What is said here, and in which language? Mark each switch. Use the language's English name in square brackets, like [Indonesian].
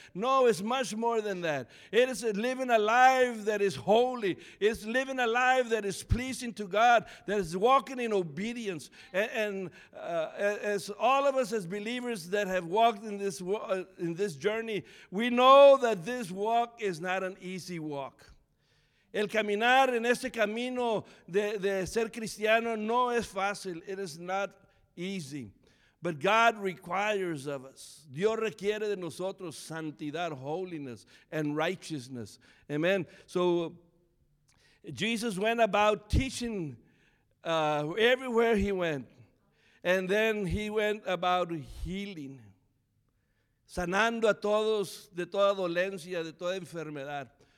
[English] No, it's much more than that. It is living a life that is holy. It's living a life that is pleasing to God, that is walking in obedience. And as all of us as believers that have walked in this journey, we know that this walk is not an easy walk. [Spanish] El caminar en este camino de ser cristiano no es fácil. [English] It is not easy, but God requires of us. [Spanish] Dios requiere de nosotros santidad, [English] holiness, and righteousness. [Spanish] Amen. [English] So Jesus went about teaching everywhere he went, and then he went about healing, [Spanish] sanando a todos de toda dolencia, de toda enfermedad.